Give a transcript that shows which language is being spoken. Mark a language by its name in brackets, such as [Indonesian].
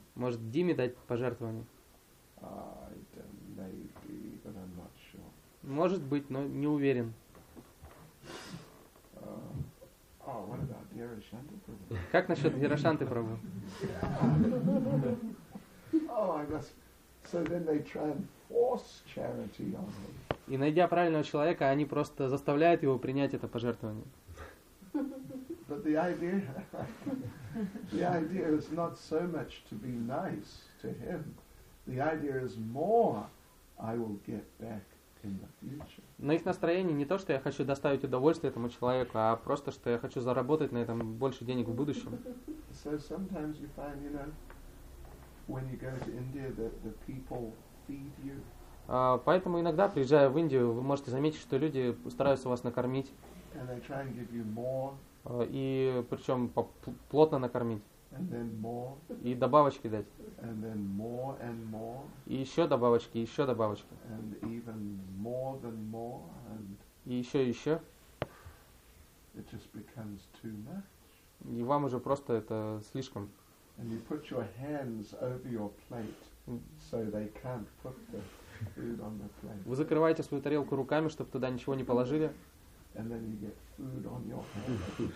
[Russian] Может, Диме дать пожертвование? [English] I don't, maybe, but I'm not sure. [Russian] Может быть, но не уверен. [English] Oh, what about Dhirashanti Prabhu? [Russian] Как насчет Дхирашанты Прабху? [English] Oh, I must. So then they try and force charity on him. [Russian] И найдя правильного человека, они просто заставляют его принять это пожертвование. [English] But the idea is not so much to be nice to him. The idea is more I will get back [Russian] На их настроении не то, что я хочу доставить удовольствие этому человеку, а просто, что я хочу заработать на этом больше денег в будущем. [English] So sometimes you find, you know, when you go to India, that the people feed you. [Russian] Поэтому иногда, приезжая в Индию, вы можете заметить, что люди стараются вас накормить. [English] And they try and give you more. [Russian] И причем плотно накормить. [English] And then more. [Russian] И добавочки дать. [English] And then more and more. [Russian] И еще добавочки, еще добавочки. [English] And even more than more. And [Russian] и еще, и еще. [English] It just becomes too much. [Russian] И вам уже просто это слишком. [English] And you put your hands over your plate, so they can't put the food on the plate. [Russian] Вы закрываете свою тарелку руками, чтобы туда ничего не положили. [English] And then you get food on your hands.